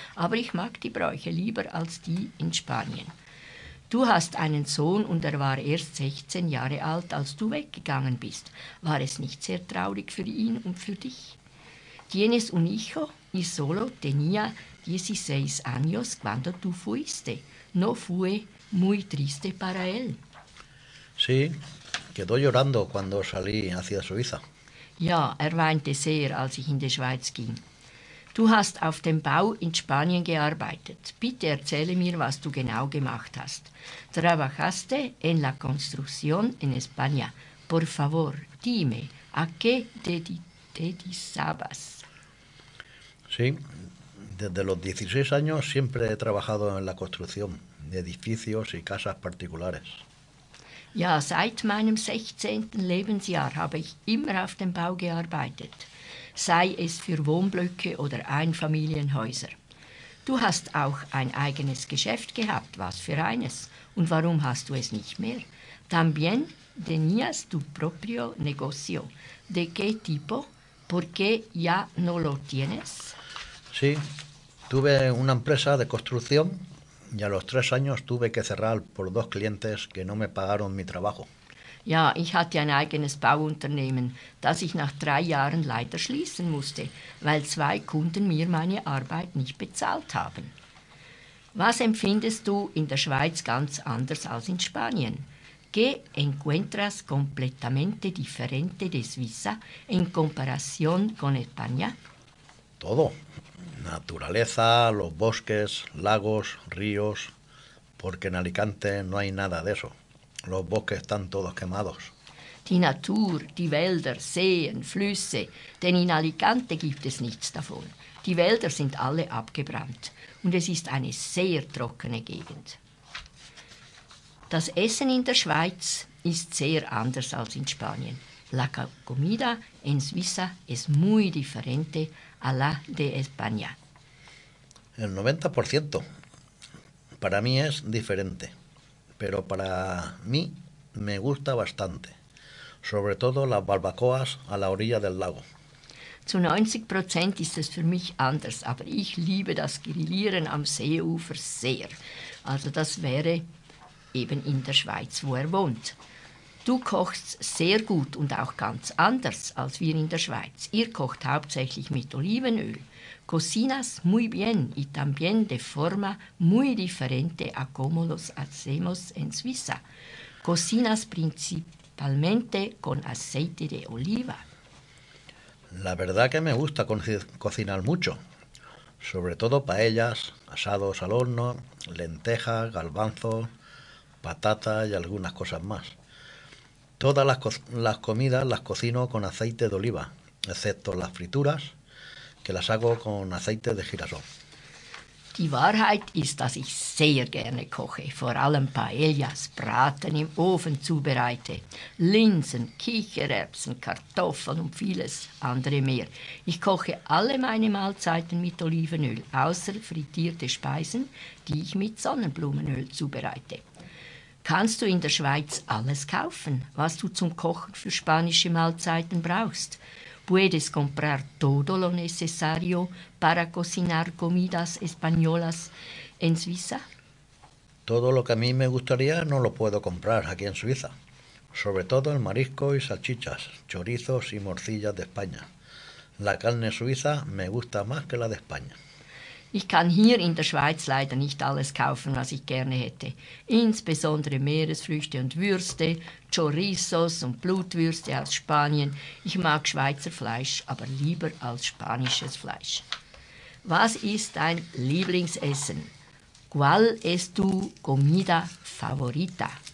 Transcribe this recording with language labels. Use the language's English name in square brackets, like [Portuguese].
[German] Aber ich mag die Bräuche lieber als die in Spanien. Du hast einen Sohn und er war erst 16 Jahre alt, als du weggegangen bist. War es nicht sehr traurig für ihn und für dich? [Spanish] Tienes un hijo y solo tenía 16 años cuando tú fuiste. ¿No fue muy triste para él? Sí, quedó llorando cuando salí hacia Suiza. [German] Ja, weinte sehr, als ich in die Schweiz ging. Du hast auf dem Bau in Spanien gearbeitet. Bitte erzähle mir, was du genau gemacht hast. [Spanish] Trabajaste en la construcción en España. Por favor, dime, ¿a qué te dedicabas? Sí, desde los 16 años siempre he trabajado en la construcción de edificios y casas particulares. [German] Ja, seit meinem 16. Lebensjahr habe ich immer auf dem Bau gearbeitet, sei es für Wohnblöcke oder Einfamilienhäuser. Du hast auch ein eigenes Geschäft gehabt, was für eines? Und warum hast du es nicht mehr? [Spanish] También tenías tu propio negocio. ¿De qué tipo? ¿Por qué ya no lo tienes? Sí, tuve una empresa de construcción y a los 3 años tuve que cerrar por 2 clientes que no me pagaron mi trabajo. [German] Ja, ich hatte ein eigenes Bauunternehmen, das ich nach 3 Jahren leider schließen musste, weil 2 Kunden mir meine Arbeit nicht bezahlt haben. Was empfindest du in der Schweiz ganz anders als in Spanien? [Spanish] ¿Qué encuentras completamente diferente de Suiza en comparación con España? Todo. Naturaleza, los bosques, lagos, ríos, porque en Alicante no hay nada de eso. Los bosques están todos quemados. [German] Die Natur, die Wälder, Seen, Flüsse, denn in Alicante gibt es nichts davon. Die Wälder sind alle abgebrannt und es ist eine sehr trockene Gegend. Das Essen in der Schweiz ist sehr anders als in Spanien. [Spanish] La comida en Suiza es muy diferente a la de España. El 90% para mí es diferente, pero para mí me gusta bastante, sobre todo las barbacoas a la orilla del lago. [German] Zu 90% ist es für mich anders, aber ich liebe das Grillieren am Seeufer sehr. Also das wäre eben in der Schweiz, wo er wohnt. Du kochst sehr gut und auch ganz anders als wir in der Schweiz. Ihr kocht hauptsächlich mit Olivenöl. [Spanish] Cocinas muy bien y también de forma muy diferente a como los hacemos en Suiza. Cocinas principalmente con aceite de oliva. La verdad que me gusta cocinar mucho. Sobre todo paellas, asados al horno, lentejas, garbanzos, patata y algunas cosas más. Todas las comidas las cocino con aceite de oliva, excepto las frituras, que las hago con aceite de girasol. [German] Die Wahrheit ist, dass ich sehr gerne koche, vor allem Paellas, Braten im Ofen zubereite, Linsen, Kichererbsen, Kartoffeln und vieles andere mehr. Ich koche alle meine Mahlzeiten mit Olivenöl, außer frittierte Speisen, die ich mit Sonnenblumenöl zubereite. Kannst du in der Schweiz alles kaufen, was du zum Kochen für spanische Mahlzeiten brauchst? [Spanish] Puedes comprar todo lo necesario para cocinar comidas españolas en Suiza? Todo lo que a mí me gustaría no lo puedo comprar aquí en Suiza. Sobre todo el marisco y salchichas, chorizos y morcillas de España. La carne suiza me gusta más que la de España. [German] Ich kann hier in der Schweiz leider nicht alles kaufen, was ich gerne hätte. Insbesondere Meeresfrüchte und Würste, Chorizos und Blutwürste aus Spanien. Ich mag Schweizer Fleisch, aber lieber als spanisches Fleisch. Was ist dein Lieblingsessen? [Spanish] ¿Cuál es tu comida favorita?